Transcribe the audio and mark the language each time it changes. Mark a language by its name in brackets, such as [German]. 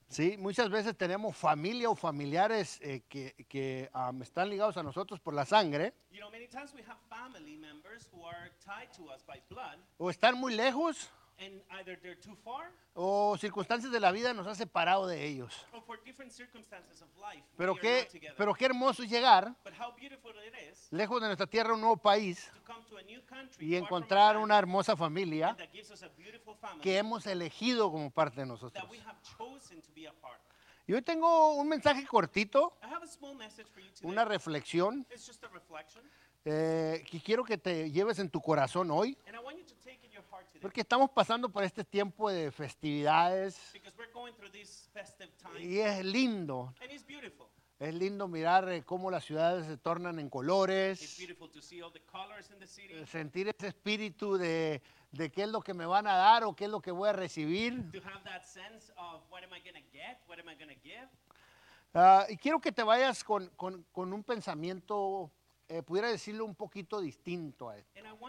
[Spanish] Sí, muchas veces tenemos familia o familiares que están ligados a nosotros por la sangre. [English] You know, many times we have family members who are tied to us by blood. [Spanish] O están muy lejos. [English] And either they're too far. [Spanish] O circunstancias de la vida nos ha separado de ellos. [English] Or for different circumstances of life, [Spanish] pero qué hermoso llegar. [English] But how beautiful it is, [Spanish] lejos de nuestra tierra, un nuevo país. [English] To come to a new country, [Spanish] y encontrar una hermosa familia. [English] That gives us a beautiful family, [Spanish] que hemos elegido como parte de nosotros. [English] That we have chosen to be a part. [Spanish] Y hoy tengo un mensaje cortito. [English] I have a small message for you today. [Spanish] Una reflexión. [English] It's just a reflection. [Spanish] Que quiero que te lleves en tu corazón hoy. [English] And I want you to take in your heart today. [Spanish] Porque estamos pasando por este tiempo de festividades. [English] Because we're going through this festive time. [Spanish] Y es lindo. [English] And it's beautiful. [Spanish] Es lindo mirar cómo las ciudades se tornan en colores. [English] It's beautiful to see all the colors in the city. [Spanish] Sentir ese espíritu de qué es lo que me van a dar o qué es lo que voy a recibir. [English] To have that sense of what am I going to get, what am I going to give. [Spanish] Y quiero que te vayas con un pensamiento. Pudiera decirlo un poquito distinto a esto.